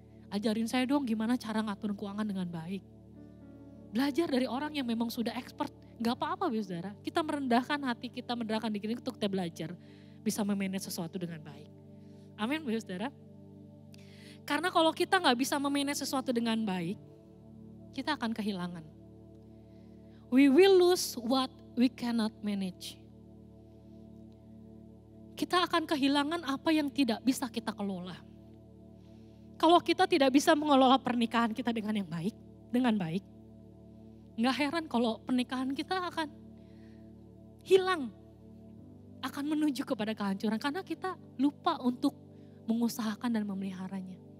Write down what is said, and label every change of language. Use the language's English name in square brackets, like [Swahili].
[Indonesian] Ajarin saya dong gimana cara ngatur keuangan dengan baik. Belajar dari orang yang memang sudah expert. Gak apa-apa, Bapak Saudara. Kita merendahkan hati, kita merendahkan diri untuk kita belajar. Bisa memanage sesuatu dengan baik. Amin, Bapak Saudara. Karena kalau kita gak bisa memanage sesuatu dengan baik, kita akan kehilangan. [English] We will lose what we cannot manage. [Indonesian] Kita akan kehilangan apa yang tidak bisa kita kelola. Kalau kita tidak bisa mengelola pernikahan kita dengan yang baik, dengan baik, gak heran kalau pernikahan kita akan hilang, akan menuju kepada kehancuran karena kita lupa untuk mengusahakan dan memeliharanya.